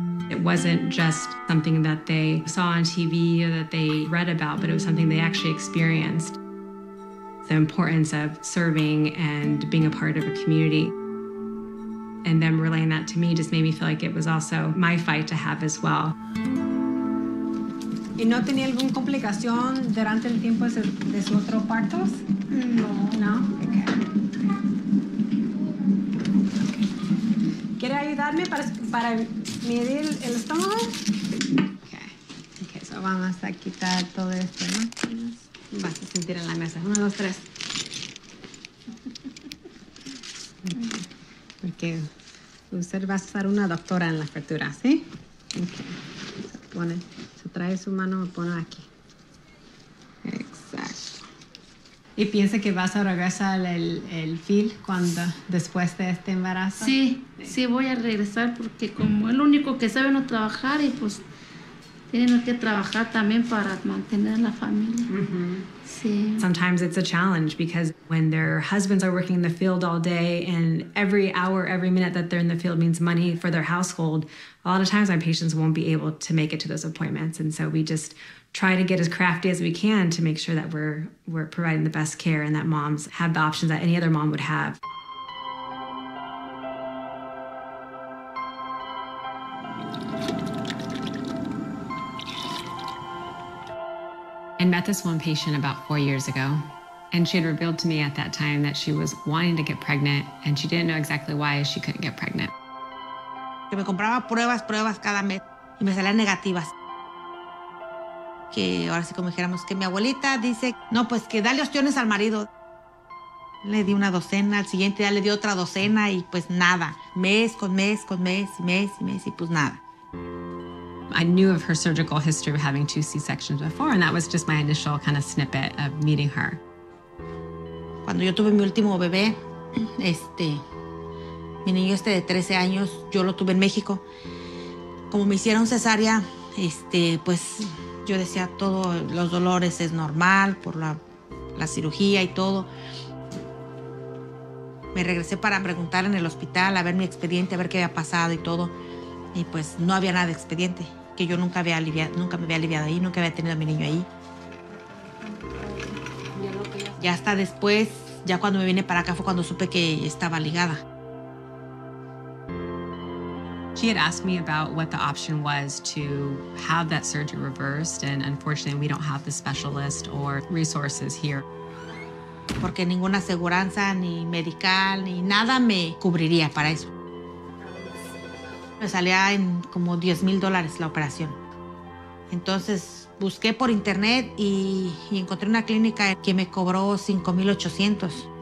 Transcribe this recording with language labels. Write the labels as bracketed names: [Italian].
[English] It wasn't just something that they saw on TV or that they read about, but it was something they actually experienced. The importance of serving and being a part of a community. And them relaying that to me just made me feel like it was also my fight to have as well. [Spanish] ¿Y no tenía alguna complicación durante el tiempo de sus otros partos? No. No? Okay. ¿Quiere ayudarme para medir el estómago? [English] Okay. Okay, so [Spanish] vamos a quitar todo esto, ¿no? Vas a sentir en la mesa. Uno, dos, tres. Porque usted va a ser una doctora en la apertura, ¿sí? Okay. Trae su mano, me pone aquí. Exacto. ¿Y piensa que vas a regresar el feel cuando después de este embarazo? Sí, sí, voy a regresar porque como el único que sabe no trabajar y pues tienen que trabajar también para mantener la familia. Sí. [English] Sometimes it's a challenge because when their husbands are working in the field all day and every hour, every minute that they're in the field means money for their household, a lot of times my patients won't be able to make it to those appointments. And so we just try to get as crafty as we can to make sure that we're providing the best care and that moms have the options that any other mom would have. I met this one patient about 4 years ago, and she had revealed to me at that time that she was wanting to get pregnant, and she didn't know exactly why she couldn't get pregnant. [Spanish] Que me compraba pruebas cada mes, y me salían negativas. Que ahora sí como dijéramos que mi abuelita dice, no, pues que dale opciones al marido. Le di una docena, al siguiente ya le di otra docena, y pues nada. Mes con mes, y pues nada. [English] I knew of her surgical history of having two C-sections before, and that was just my initial kind of snippet of meeting her. [Spanish] Cuando yo tuve mi último bebé, mi niño de 13 años, yo lo tuve en México. Como me hicieron cesárea, pues yo decía todo, los dolores es normal por la cirugía y todo. Me regresé para preguntar en el hospital, a ver mi expediente, a ver qué había pasado y todo, y pues no había nada de expediente. Que yo nunca me había aliviado ahí, nunca había tenido a mi niño ahí. Ya hasta después, ya cuando me vine para acá fue cuando supe que estaba ligada. [English] She had asked me about what the option was to have that surgery reversed, and unfortunately we don't have the specialist or resources here. [Spanish] Porque ninguna aseguranza, ni medical, ni nada me cubriría para eso. Me salía en como $10,000 la operación. Entonces busqué por internet y encontré una clínica que me cobró $5,800.